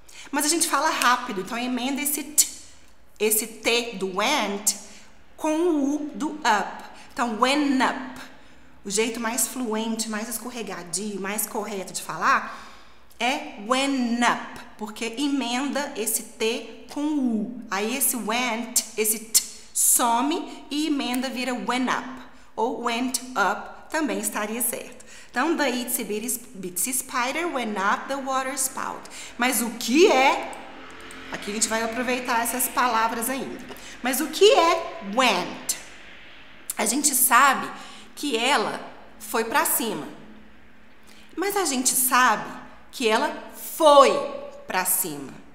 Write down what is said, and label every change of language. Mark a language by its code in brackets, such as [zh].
[pt] Mas a gente fala rápido, então emenda esse T do went com o U do up. Então, went up. O jeito mais fluente, mais escorregadio, mais correto de falar é went up. Porque emenda esse T com o U. Aí esse went, esse T, some e emenda vira went up. Ou went up também estaria certo. Então, [en] the itsy bitsy spider went up the water spout. [pt] Mas o que é? Aqui a gente vai aproveitar essas palavras ainda. Mas o que é went? A gente sabe que ela foi para cima. Mas a gente sabe que ela foi para cima.